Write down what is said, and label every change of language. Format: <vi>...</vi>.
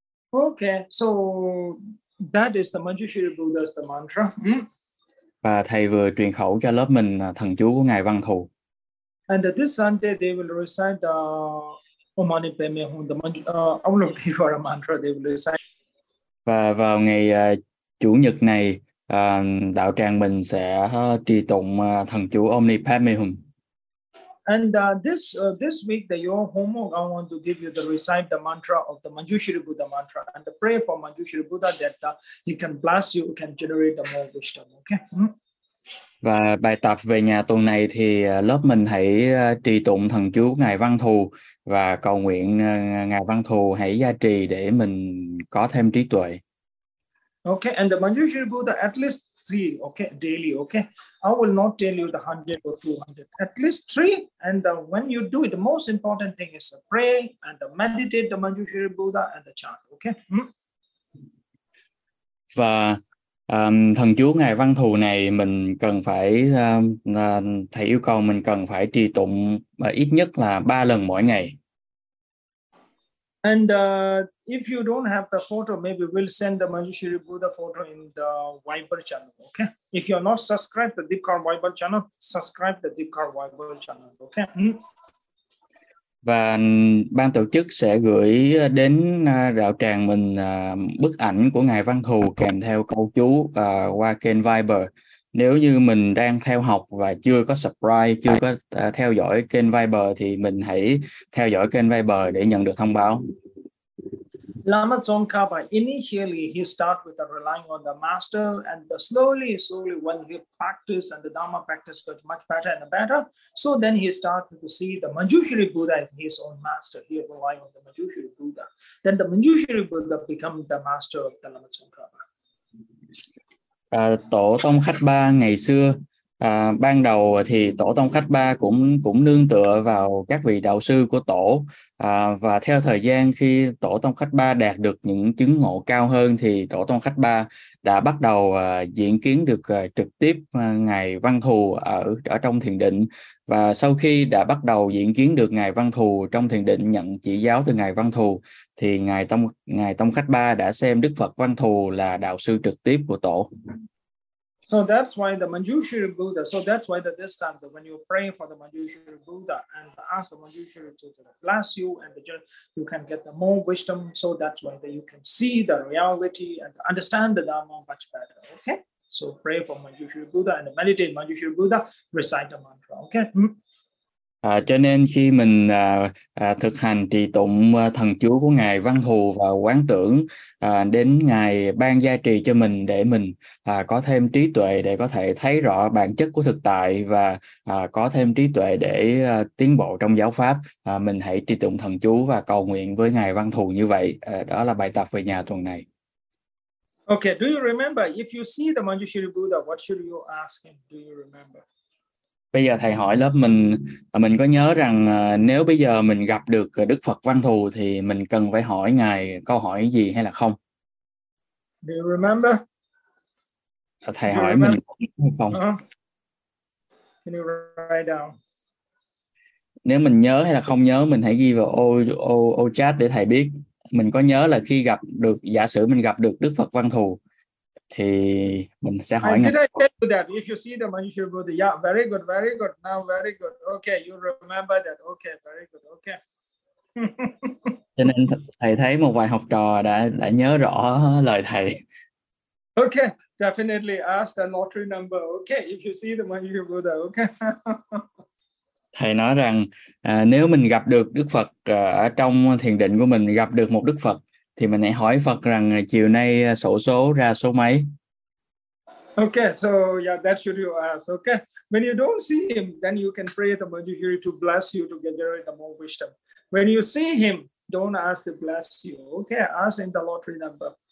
<en>Okay, so that is the Manjushri Buddha's the mantra.</en> <vi>Và thầy vừa truyền khẩu cho lớp mình thần chú của ngài Văn Thù.</vi> <en>And this Sunday they will recite the Om Mani Padme Hum, the Avalokiteshvara mantra they will recite.</en> <vi>Và vào ngày chủ nhật này đạo tràng mình sẽ trì tụng thần chú Om Mani Padme Hum.</vi> <en>And this week the your homework I want to give you to recite the mantra of the Manjushri Buddha mantra and the prayer for Manjushri Buddha that he can bless you, can generate the more wisdom, okay?</en> <vi>Và bài tập về nhà tuần này thì lớp mình hãy trì tụng thần chú ngài Văn Thù và cầu nguyện ngài Văn Thù hãy gia trì để mình có thêm trí tuệ.</vi> <en>Okay, and the Manjushri Buddha at least 3, okay, daily, okay. I will not tell you the 100 or 200. At least 3, and when you do it, the most important thing is to pray and to meditate the Manjushri Buddha and the chant, okay?</en> <vi>Và thần chú ngài Văn Thù này mình cần phải thầy yêu cầu mình cần phải trì tụng ít nhất là 3 lần mỗi ngày.</vi> <en>And if you don't have the photo, maybe we'll send the Manjushri Buddha photo in the Viber channel, okay? If you're not subscribed to the Deepkar Viber channel, subscribe to the Deepkar Viber channel, okay?</en> <vi>Và ban tổ chức sẽ gửi đến đạo tràng mình bức ảnh của ngài Văn Thù kèm theo câu chú qua kênh Viber. Nếu như mình đang theo học và chưa có subscribe, chưa có theo dõi kênh Viber thì mình hãy theo dõi kênh Viber để nhận được thông báo.</vi> <en>Lama Tsongkhapa initially he start with relying on the master and the slowly when he practice and the Dharma practice got much better and better. So then he started to see the Manjushri Buddha as his own master. He relying on the Manjushri Buddha. Then the Manjushri Buddha become the master of the Lama Tsongkhapa.</en> <vi>Tổ Tông Khách Ba ngày xưa ban đầu thì Tổ Tông Khách Ba cũng nương tựa vào các vị đạo sư của tổ và theo thời gian khi Tổ Tông Khách Ba đạt được những chứng ngộ cao hơn thì Tổ Tông Khách Ba đã bắt đầu diễn kiến được trực tiếp ngài Văn Thù ở trong thiền định. Và sau khi đã bắt đầu diễn kiến được ngài Văn Thù trong thiền định, nhận chỉ giáo từ ngài Văn Thù, thì ngài Tông Khách Ba đã xem Đức Phật Văn Thù là đạo sư trực tiếp của tổ.</vi> <en>So that's why the Manjushri Buddha, so that's why that this time when you pray for the Manjushri Buddha and ask the Manjushri to bless you and you can get the more wisdom, so that's why that you can see the reality and understand the Dharma much better, okay? So pray for Manjushri Buddha and meditate Manjushri Buddha, recite the mantra, okay?</en> <vi>Cho nên khi mình thực hành trì tụng thần chú của ngài Văn Thù và quán tưởng đến ngài ban gia trì cho mình để mình có thêm trí tuệ để có thể thấy rõ bản chất của thực tại và có thêm trí tuệ để tiến bộ trong giáo pháp, mình hãy trì tụng thần chú và cầu nguyện với ngài Văn Thù như vậy. Đó là bài tập về nhà tuần này.</vi> <en>Okay, do you remember if you see the Manjushri Buddha, what should you ask him? Do you remember?</en> <vi>Bây giờ thầy hỏi lớp mình có nhớ rằng nếu bây giờ mình gặp được Đức Phật Văn Thù thì mình cần phải hỏi ngài câu hỏi gì hay là không?</vi> <en>Do you remember?</en> <vi>Thầy hỏi mình không?</vi> <en>Can you write down?</en> <vi>Nếu mình nhớ hay là không nhớ, mình hãy ghi vào ô chat để thầy biết. Mình có nhớ là khi gặp được, giả sử mình gặp được Đức Phật Văn Thù, thì mình sẽ hỏi</vi> <en>ngài. Did I tell you that? If you see the Manjushri Buddha, yeah, very good, very good. Now, very good. Okay, you remember that. Okay, very good. Okay.</en> <vi>Cho nên thầy thấy một vài học trò đã nhớ rõ lời thầy.</vi> <en>Okay, definitely ask the lottery number. Okay, if you see the Manjushri Buddha, okay.</en> <vi>Thầy nói rằng nếu mình gặp được Đức Phật ở trong thiền định của mình, gặp được một Đức Phật, thì mình hãy hỏi Phật rằng chiều nay sổ số ra số mấy.</vi> <en>Okay, so yeah, that should you ask. Okay, when you don't see him, then you can pray the Manjushri to bless you to generate the more wisdom. When you see him, don't ask to bless you. Okay, ask in the lottery number.</en>